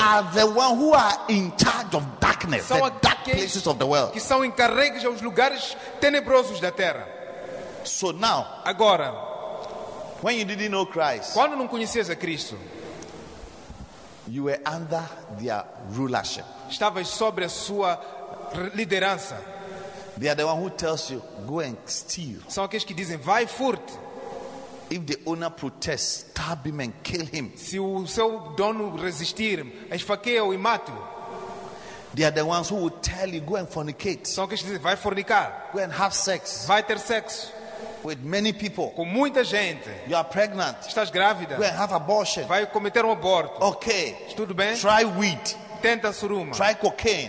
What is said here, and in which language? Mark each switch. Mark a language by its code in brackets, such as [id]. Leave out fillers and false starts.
[en] Are the ones who are in charge of darkness, [pt] são [en] the dark places of the world. [pt] Que são encarregues aos lugares tenebrosos da terra. [en] So now, [pt] agora, [en] when you didn't know Christ, [pt] quando não conhecias a Cristo, [en] you were under their rulership. [pt] Estavas sobre a sua liderança. [en] They are the one who tells you go and steal. [pt] São aqueles que dizem vai furte. [en] If the owner protests, stab him and kill him. [pt] Se o seu dono resistir, esfaqueia-o e mate-o. [en] They are the ones who will tell you go and fornicate. [pt] São aqueles que dizem vai fornicar. [en] Go and have sex. [pt] Vai ter sexo. [en] With many people. [pt] Com muita gente. [en] You are pregnant. [pt] Estás grávida. [en] Go and have abortion. [pt] Vai cometer aborto. [en] Okay. [pt] Tudo bem? [en] Try weed. [pt] Tenta suruma. [en] Try cocaine.